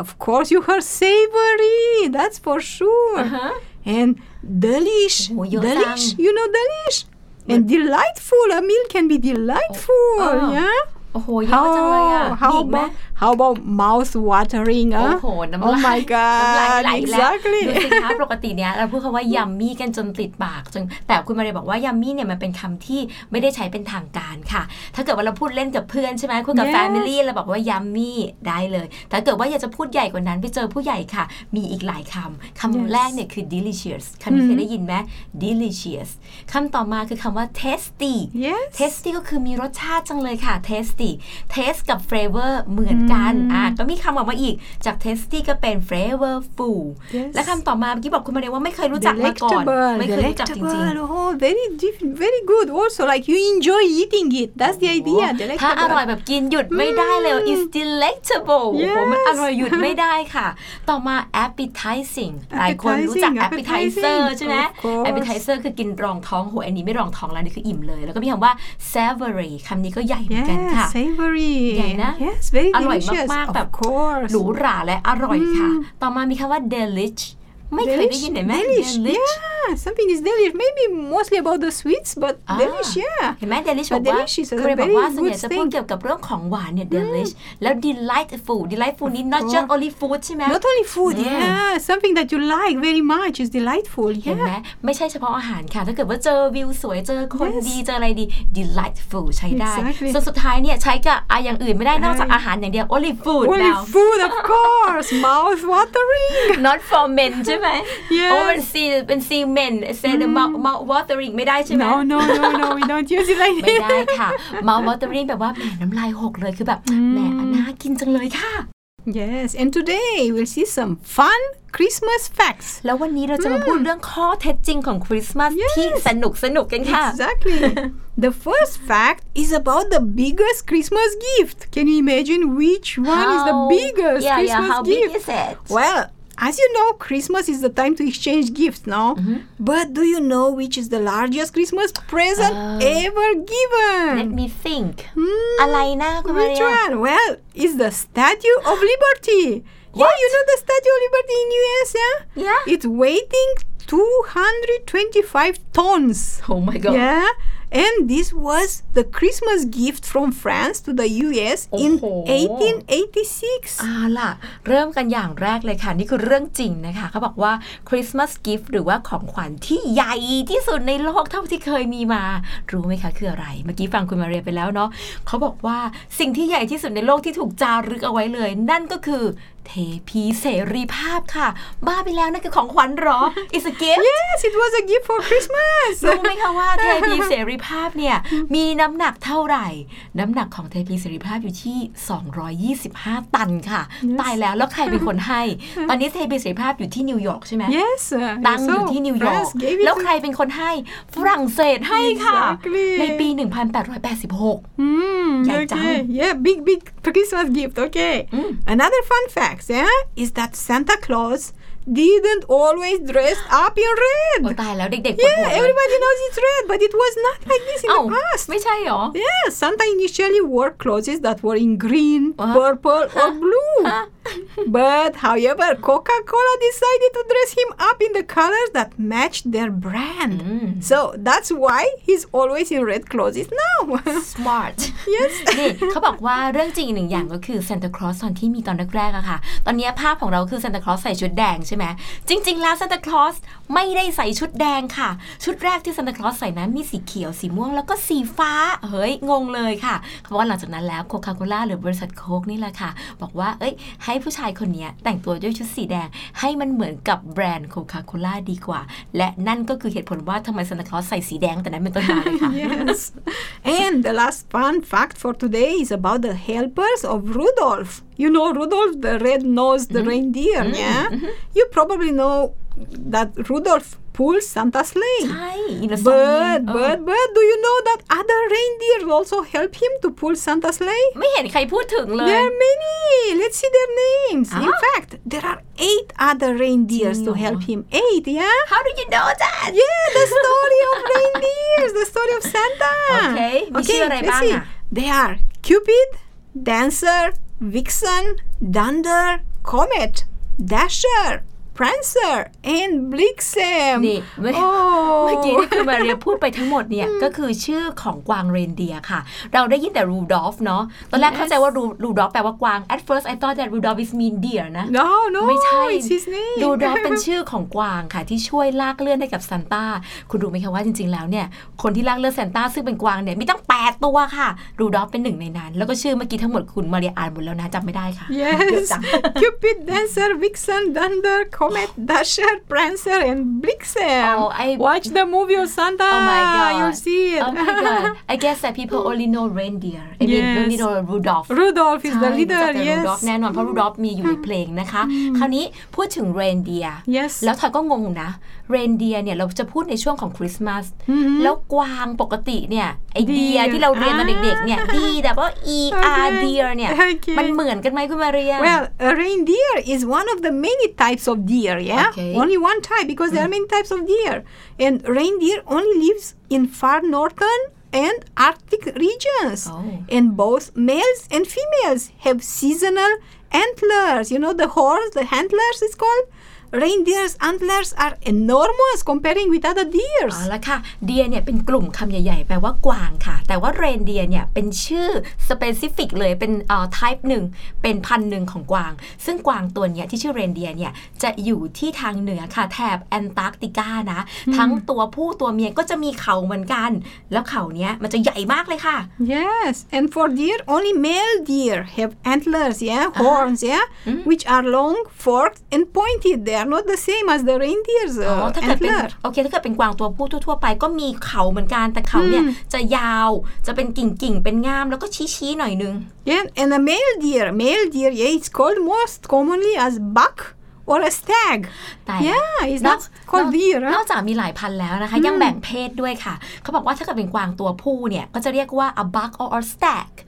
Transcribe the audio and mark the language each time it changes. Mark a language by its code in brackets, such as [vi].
[en] Of course, you heard savory. That's for sure. Uh-huh. And delish. Delish. You know delish. And delightful, a meal can be delightful, oh. yeah? Oh, yeah, how about mouth-watering, huh? Oh, oh, oh my God, exactly. [th] ดูสิคะปกติเนี้ยเราพูดคำว่ายัมมี่กันจนติดปากจนแต่คุณมาเลยบอกว่ายัมมี่เนี่ยมันเป็นคำที่ไม่ได้ใช้เป็นทางการค่ะถ้าเกิดว่าเราพูดเล่นกับเพื่อนใช่ไหมคุณกับ family เราบอกว่ายัมมี่ได้เลยถ้าเกิดว่าอยากจะพูดใหญ่กว่านั้นไปเจอผู้ใหญ่ค่ะมีอีกหลายคำคำแรกเนี่ยคือ delicious คำนี้เคยได้ยินไหม delicious คำต่อมาคือคำว่า tasty [en] yes [th] tasty ก็คือมีรสชาติจังเลยค่ะ tasty taste กับ flavor เหมือนกันก็มีคำออกมาอีกจาก tasty ก็เป็น flavorful [en] yes. [th] และคำต่อมาเมื่อกี้บอกคุณมาเรียว่าไม่เคยรู้จักมาก่อนไม่เคยรู้จักจริงๆ [en] oh very different very good also like you enjoy eating it that's the idea [th] ถ้าอร่อยแบบกินหยุดไม่ได้เลย is delectable [en] yes. [th] มันอร่อยหยุดไม่ได้ค่ะต่อมา appetizing หลายคนรู้จัก appetizer ใช่ไหม appetizer คือกินรองท้องโหอันนี้ไม่รองท้องแล้วนี่คืออิ่มเลยแล้วก็มีคำว่า savory คำนี้ก็ใหญ่เหมือนกันค่ะ [en] savory [th] ใหญ่นะ [en] yes very [th] อร่อยมากๆแบบหรูหราและอร่อยค่ะต่อมามีคำว่า delish ไม่เคยได้ยินไหม [en] delish yeah something is delish maybe mostly about the sweets but delish yeah [th] เห็นไหม delish [en] but delish is a very good thing [th] ส่วนใหญ่จะพูดเกี่ยวกับเรื่องของหวานเนี่ย delish แล้ว delightful นี่ not just only food ใช่ไหม [en] not only food yeah something that you like very much is delightful [th] เห็นไหมไม่ใช่เฉพาะอาหารค่ะถ้าเกิดว่าเจอวิวสวยเจอคนดีเจออะไรดี delightful ใช้ได้ ส่วนสุดท้ายเนี่ยใช้กับอย่างอื่นไม่ได้นอกจากอาหารอย่างเดียว only food [en] only food of course mouth watering not for men ใช่ [th] ไหมโอ้เป็นซีเมนต์ said mouth watering ไม่ได้ใช่ไหม [en] no we don't use it like [th] that ไม่ได้ค่ะ mouth watering แบบว่าแหมน้ำลายหกเลยคือแบบแหมอนากินจังเลยค่ะ [en] yes and today we'll see some funChristmas facts. [th] แล้ววันนี้เราจะมาพูดเรื่องข้อเท็จจริงของคริสต์มาสที่สนุกสนุกกันค่ะ [en] Exactly. The first fact is about the biggest Christmas gift. Can you imagine which one is the biggest Christmas gift? Yeah, how big is it? Well. As you know, Christmas is the time to exchange gifts, no? Mm-hmm. But do you know which is the largest Christmas present ever given? Let me think. อะไรนะคุณมาริ ยา Which one? Well, it's the Statue of Liberty. What? Yeah, you know the Statue of Liberty in US, yeah? Yeah. It's weighing 225 tons. Oh my God. Yeah. And this was the Christmas gift from France to the US in 1886. [th] เริ่มกันอย่างแรกเลยค่ะนี่คือเรื่องจริงนะคะเขาบอกว่า Christmas gift หรือว่าของขวัญที่ใหญ่ที่สุดในโลกเท่าที่เคยมีมารู้ไหมคะคืออะไรเมื่อกี้ฟังคุณมาเรียไปแล้วเนาะเขาบอกว่าสิ่งที่ใหญ่ที่สุดในโลกที่ถูกจารึกเอาไว้เลยนั่นก็คือเทพีเสรีภาพค่ะบ้าไปแล้วนั่นคือของขวัญหรอ It's a gift [en] Yes it was a gift for Christmas [th] รู้ไหมคะว่าเทพีเสรีภาพเนี่ยมีน้ำหนักเท่าไหร่น้ำหนักของเทพีเสรีภาพอยู่ที่225ตันค่ะ [en] yes. [th] ตายแล้วแล้วใครเป็นคนให้ตอนนี้เทพีเสรีภาพอยู่ที่นิวยอร์กใช่ไหม [en] Yes [th] ตั้งอยู่ที่นิวยอร์กแล้วใครเป็นคนให้ฝรั่งเศสให้ค่ะ [en] exactly. [th] ในปี1886ใหญ่จัง [en] Yeah big Christmas gift okay another fun fact. Yeah, is that Santa Claus didn't always dress up in red. [th] ตายแล้วเด็กๆ [en] Yeah, everybody knows it's red, but it was not like this in the past. [th] ไม่ใช่หรอ [en] Yeah, Santa initially wore clothes that were in green, purple, or blue. But, however, Coca-Cola decided to dress him up in the colors that matched their brand. Mm. So that's why he's always in red clothes now. Smart. Yes. [th] นี่เขาบอกว่าเรื่องจริงหนึ่งอย่างก็คือซานตาคลอสตอนที่มีตอนแรกๆอะค่ะตอนนี้ภาพของเราคือซานตาคลอสใส่ชุดแดงใช่ไหมจริงๆแล้วซานตาคลอสไม่ได้ใส่ชุดแดงค่ะชุดแรกที่ซานตาคลอสใส่นั้นมีสีเขียวสีม่วงแล้วก็สีฟ้าเฮ้ยงงเลยค่ะเขาบอกว่าหลังจากนั้นแล้วโคคาโคล่าหรือบริษัทโค้กนี่แหละค่ะบอกว่าเอ้ยให้ผู้ชายคนนี้แต่งตัวด้วยชุดสีแดงให้มันเหมือนกับแบรนด์โคคาโคล่าดีกว่าและนั่นก็คือเหตุผลว่าทำไมซานตาคลอสใส่สีแดงแต่นั้นเป็นต้นมาเลยค่ะ [en] Yes and the last fun fact for today is about the helpers of Rudolph you know Rudolph the red nosed mm-hmm. reindeer mm-hmm. yeah mm-hmm. you probably know that Rudolph pulls Santa's sleigh but do you know that other reindeer also help him to pull Santa's sleigh [th] ไม่เห็นใครพูดถึงเลย [en] There are many let's see their names in fact there are 8 other reindeers to help him 8 yeah how do you know that yeah the story of reindeers the story of Santa okay let's see they are Cupid Dancer Vixen Dunder Comet Dasher Prancer and Blixen [th] นี่เมื่อกี้คือมาเรียพูดไปทั้งหมดเนี่ย ก็คือชื่อของกวางเรนเดียร์ค่ะเราได้ยินแต่รูดอฟเนาะตอนแรกเข้าใจว่ารูดอฟแปลว่ากวาง At first I thought that Rudolph is mean deer นะ [en] No [th] ไม่ใช่ [en] It's his name [th] รูดอฟเป็นชื่อของกวางค่ะที่ช่วยลากเลื่อนให้กับซานต้าคุณรู้ไหมคะว่าจริงๆแล้วเนี่ยคนที่ลากเลื่อนซานต้าซึ่งเป็นกวางเนี่ยมีตั้ง8ตัวค่ะรูดอฟเป็นหนึ่งในนั้นแล้วก็ชื่อเมื่อกี้ทั้งหมดคุณมาเรียอ่านหมดแล้วนะจำไม่ได้ค่ะ [en] Yes Cupid Dancer Vixen Dunder ComDasher, Prancer, and Blixen. Watch the movie of Santa. Oh my God. You'll see it. Oh my God. I guess that people only know reindeer. I mean, yes. Only know Rudolph. Rudolph is the leader, yes. [th] Rudolph, แน่นอนเพราะ Rudolph มีอยู่ในเพลงนะคะคราวนี้พูดถึง reindeer. [en] Yes. [th] แล้วทอยก็งงนะ reindeer เนี่ยเราจะพูดในช่วงของคริสต์มาสแล้วกวางปกติเนี่ยไอเดียที่เราเรียนตอนเด็กๆเนี่ยดีแต่ว่า deer เนี่ยมันเหมือนกันไหมคุณมาเรีย [en] Well, a reindeer is one of the many types of deer. Yeah, okay. only one type because there are many types of deer, and reindeer only lives in far northern and Arctic regions. Oh. And both males and females have seasonal antlers. You know the horns, the antlers is called. Reindeer's antlers are enormous comparing with other deer. [th] อ๋อละค่ะ deer เนี่ยเป็นกลุ่มคำใหญ่ๆแปลว่ากวางค่ะแต่ว่า reindeer เนี่ยเป็นชื่อ specific เลยเป็น type หนึ่งเป็นพันธุ์หนึ่งของกวางซึ่งกวางตัวเนี้ยที่ชื่อ reindeer เนี่ยจะอยู่ที่ทางเหนือค่ะแถบแอนตาร์กติกานะทั้งตัวผู้ตัวเมียก็จะมีเขาเหมือนกันแล้วเขาเนี้ยมันจะใหญ่มากเลยค่ะ [en] Yes and for deer only male deer have antlers yeah horns yeah which are long forked and pointed there. Not the same as the reindeer's antler. [th] Okay, ถ้าเกิดเป็นกวางตัวผู้ทั่วไปก็มีเขาเหมือนกันแต่เขาเนี่ยจะยาวจะเป็นกิ่งๆเป็นงามแล้วก็ชี้ๆหน่อยนึง [en] Yeah, and a male deer, yeah, it's called most commonly as buck or a stag. Yeah, it's not called deer. [th] นอกจากมีหลายพันธุ์แล้วนะคะยังแบ่งเพศด้วยค่ะเขาบอกว่าถ้าเกิดเป็นกวางตัวผู้เนี่ยก็จะเรียกว่า a buck or a stag.